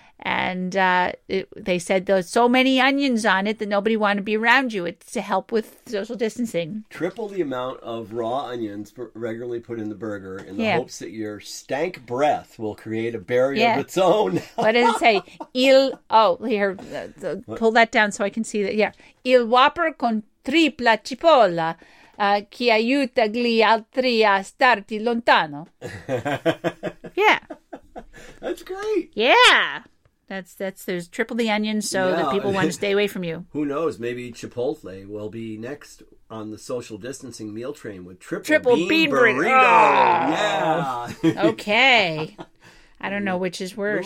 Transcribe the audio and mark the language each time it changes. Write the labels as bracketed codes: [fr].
[en] And they said there's so many onions on it that nobody wanted to be around you. It's to help with social distancing. Triple the amount of raw onions regularly put in the burger in the hopes that your stank breath will create a barrier of its own. What does it say? Pull that down so I can see that. Yeah. [it] Il Whopper con tripla cipolla che aiuta gli altri a starti lontano. [en] Yeah. That's great. Yeah. There's triple the onions so that people want to stay away from you. Who knows? Maybe Chipotle will be next on the social distancing meal train with triple bean burrito. Yeah. Okay. I don't know which is worse.